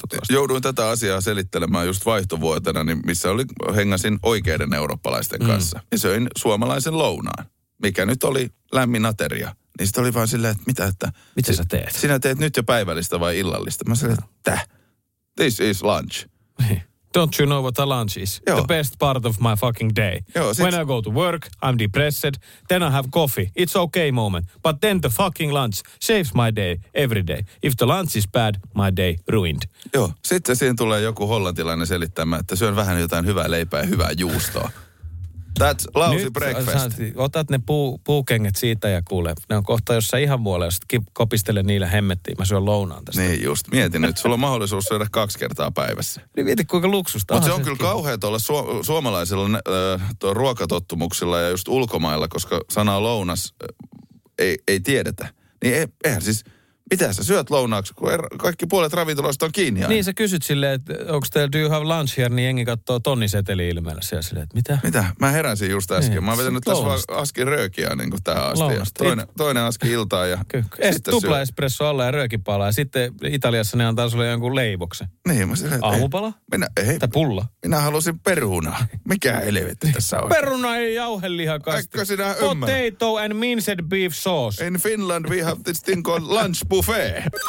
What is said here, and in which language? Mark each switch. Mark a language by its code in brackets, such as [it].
[fi] Jouduin tätä asiaa selittelemään just vaihtovuotena, niin missä oli, hengasin oikeiden eurooppalaisten kanssa. Ja söin suomalaisen lounaan, mikä nyt oli lämmin ateria. Niin sitten oli vaan silleen, että mitä sä teet? Sinä teet nyt jo päivällistä vai illallista? Mä sanoin, että [en] this is lunch. Don't you know what a lunch is? [fi] Joo. [en] The best part of my fucking day. [fi] Joo, [en] when I go to work, I'm depressed. Then I have coffee. It's okay moment. But then the fucking lunch saves my day every day. If the lunch is bad, my day ruined. [fi] Joo, sitten siinä tulee joku hollantilainen selittämään, että syön vähän jotain hyvää leipää ja hyvää juustoa. [en] That's lousy breakfast. [fi] Otat ne puukengät siitä ja kuule, ne on kohta jossain ihan muualla, jos kopistele niillä hemmettiin. Mä syön lounaan tästä. Niin just, mietin nyt. Sulla on mahdollisuus syödä 2 kertaa päivässä. Niin mieti, kuinka luksusta on. Mutta se on kyllä kauhea tuolla suomalaisilla ruokatottumuksilla ja just ulkomailla, koska sana lounas ei tiedetä. Niin eihän siis, mitä sä syöt lounaaksi, kun kaikki puolet ravintoloista on kiinni. Niin aina. Sä kysyt silleen, että onko teillä [en] do you have lunch here, [fi] niin jengi katsoo tonniseteli ilmeellä silleen, että mitä? Mitä? Mä heräsin just äsken. Niin, mä oon vetänyt tässä vaan askin röökiä niin kuin tähän asti. Toinen askin iltaa ja sitten tupla espresso alla ja röökipala. Ja sitten Italiassa ne antaa sulle jonkun leivoksen. Niin mä silleen, aamupala? Ei. Tai pulla? Minä halusin perunaa. Mikä helvetti tässä on? Peruna ei jauhelihakasti. Eikö sinä ymmärrä? [en] Potato and minced beef sauce. In Finland we have this thing called lunch buffet.